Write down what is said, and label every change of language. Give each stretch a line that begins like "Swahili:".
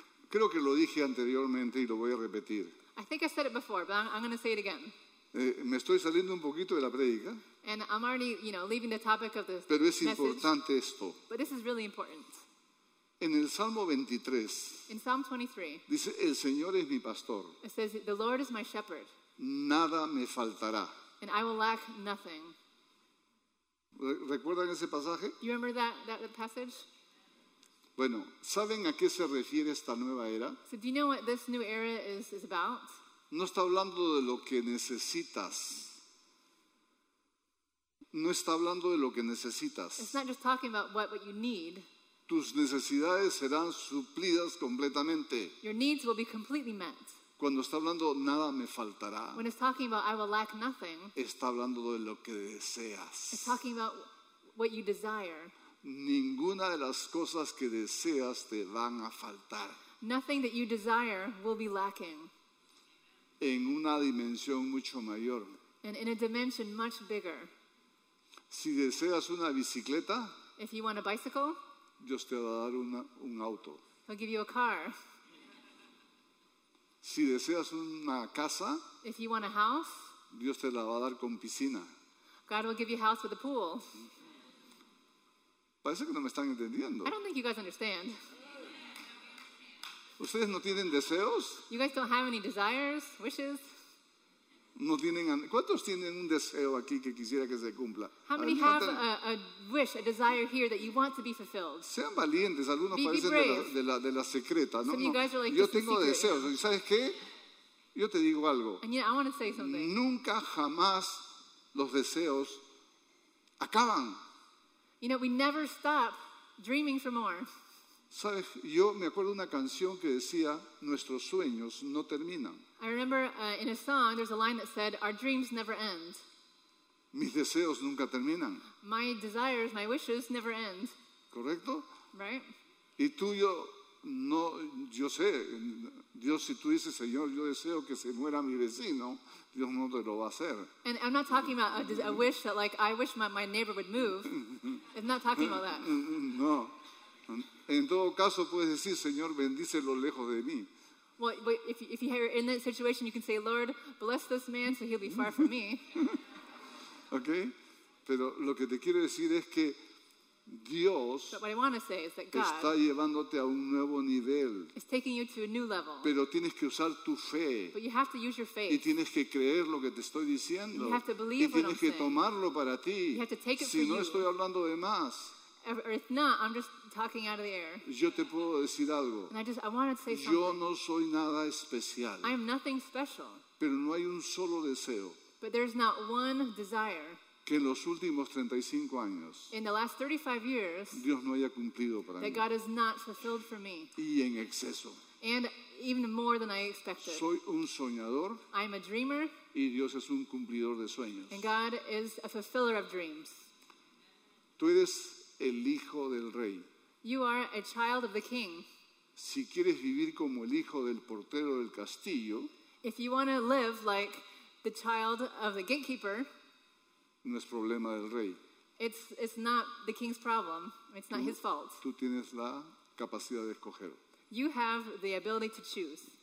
Spanish: Creo que lo dije anteriormente y lo voy a repetir.
English: I think I said it before, but I'm going to say it again.
Spanish: Me estoy saliendo un poquito de la predica.
English: And I'm already, you know, leaving the topic of the message.
Spanish: Pero es importante esto.
English: But this is really important.
Spanish: En el Salmo 23.
English: In Psalm 23.
Spanish: Dice, el Señor es mi pastor.
English: It says, the Lord is my shepherd.
Spanish: Nada me faltará.
English: And I will lack nothing.
Spanish: ¿Recuerdan ese pasaje?
English: You remember that passage?
Spanish: Bueno, ¿saben a qué se refiere esta nueva era?
English: So do you know what this new era is about?
Spanish: No está hablando de lo que necesitas. No está hablando de lo que necesitas.
English: It's not just talking about what you need.
Spanish: Tus necesidades serán suplidas completamente.
English: Your needs will be completely met.
Spanish: Cuando está hablando nada me faltará.
English: When it's talking about I will lack nothing.
Spanish: Está hablando de lo que deseas.
English: It's talking about what you desire.
Spanish: Ninguna de las cosas que deseas te van a faltar.
English: Nothing that you desire will be lacking.
Spanish: En una dimensión mucho mayor.
English: And in a dimension much bigger.
Spanish: Si deseas una bicicleta,
English: if you want a bicycle,
Spanish: Dios te va a dar un auto.
English: He'll give you a car.
Spanish: Si deseas una casa,
English: if you want a house,
Spanish: Dios te la va a dar con piscina.
English: God will give you a house with a pool.
Spanish: Parece que no me están entendiendo.
English: I don't think you guys understand.
Spanish: ¿Ustedes no tienen deseos?
English: You guys don't have any desires, wishes.
Spanish: No tienen. ¿Cuántos tienen un deseo aquí que quisiera que se cumpla?
English: How many have a wish, a desire here that you want to be fulfilled?
Spanish: Sean valientes, algunos parecen de la secreta. No,
English: you guys are like,
Spanish: yo tengo deseos. ¿Y sabes qué? Yo te digo algo.
English: And yet, I want to say something.
Spanish: Nunca jamás los deseos acaban.
English: You know, we never stop dreaming for more.
Spanish: ¿Sabes? Yo me acuerdo una canción que decía, nuestros sueños no terminan.
English: I remember in a song, there's a line that said, our dreams never end.
Spanish: Mis deseos nunca terminan.
English: My desires, my wishes never end.
Spanish: ¿Correcto?
English: Right.
Spanish: Y tú y yo, no, yo sé, Dios, si tú dices, Señor, yo deseo que se muera mi vecino, Dios no te lo va a hacer.
English: And I'm not talking about a wish that, like, I wish my neighbor would move. I'm not talking about that.
Spanish: No. En todo caso, puedes decir, Señor, bendícelo lejos de mí.
English: Well, if you're in that situation, you can say, Lord, bless this man so he'll be far from me. Okay.
Spanish: Pero lo que te quiero decir es que Dios,
English: but what I want to say is that God
Spanish: está llevándote a un nuevo nivel.
English: Is taking you to a new level.
Spanish: Pero tienes que usar tu fe.
English: But you have to use your faith.
Spanish: Y tienes que creer lo que te estoy diciendo.
English: You have to believe what I'm saying.
Spanish: Y tienes que tomarlo para ti.
English: You have to take it
Spanish: si
English: for
Spanish: no
English: you.
Spanish: Estoy hablando de más.
English: Or if not, I'm just talking out of the air.
Spanish: Yo te puedo decir algo.
English: And I want to say something.
Spanish: Yo no soy nada especial.
English: I am nothing special.
Spanish: Pero no hay un solo deseo.
English: But there's not one desire.
Spanish: Que en los últimos 35 años
English: in the last 35 years,
Spanish: Dios no haya cumplido para
English: that
Spanish: mí.
English: God has not fulfilled for me.
Spanish: Y en exceso.
English: And even more than I expected.
Spanish: Soy un soñador.
English: I'm a dreamer.
Spanish: Y Dios es un cumplidor de sueños.
English: And God is a fulfiller of dreams.
Spanish: Tú eres el hijo del rey.
English: You are a child of the king.
Spanish: Si quieres vivir como el hijo del portero del castillo,
English: if you want to live like the child of the gatekeeper,
Spanish: no es problema del rey.
English: It's not the king's problem. It's not his fault.
Spanish: Tú tienes la capacidad de escoger.
English: You have the ability to choose.